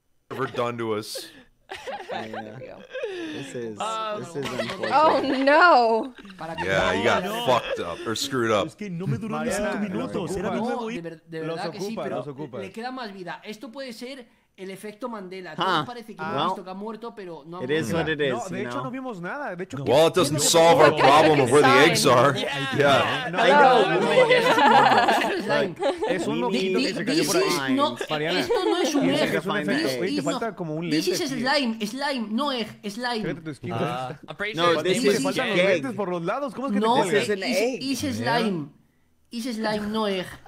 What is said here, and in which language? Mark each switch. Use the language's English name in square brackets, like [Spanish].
[English] ever done to us. This is oh no. Yeah, you got fucked up or screwed up. [Spanish] Es que no me duró ni 5 minutos, era mi nuevo [English] hit. [Spanish] De verdad que sí, pero le queda más vida. Esto puede ser el efecto Mandela. Todo parece que hemos visto que ha muerto, pero no ha muerto. [English] It is what it is. [Spanish] No, de hecho no vimos nada. De hecho, [English] well, it doesn't solve our problem of where the eggs are. Yeah. I know. [Spanish] Es un loquito que se cayó por ahí. Esto no es un egg. Te falta como un lente. [English] This is slime. Slime, no egg. Slime. [Spanish] Fíjate tu esquina. No, [English] this is egg. [Spanish] Te faltan los lentes por los lados. ¿Cómo es que te cuelgas? No, es el egg. [English] Is slime. Is slime, no egg.